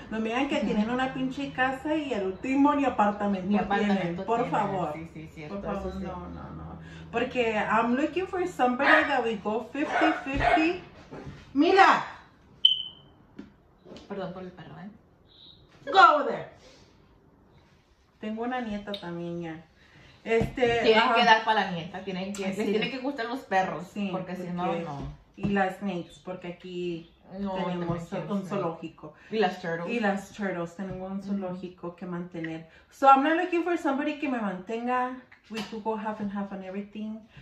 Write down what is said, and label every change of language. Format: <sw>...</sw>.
<es>No me digan que tienen una pinche casa y el último ni apartamento tienen. Por favor. Sí, sí, cierto. Por favor, no, no, no. Porque</es> <en>I'm looking for somebody that we go 50-50.</en> <es>¡Mira! Perdón por el perro,</es> <en>Go there.</en> <es>Tengo una nieta también, ya. Tienen que dar para la nieta, les tienen que gustar los perros, sí, porque si no, no. Y las snakes, porque aquí tenemos un zoológico. Y las turtles. Y las turtles, tenemos un zoológico que mantener.</es> <en>So I'm not looking for somebody</en> <es>que me mantenga.</es> <en>We could go half and half on everything.</en>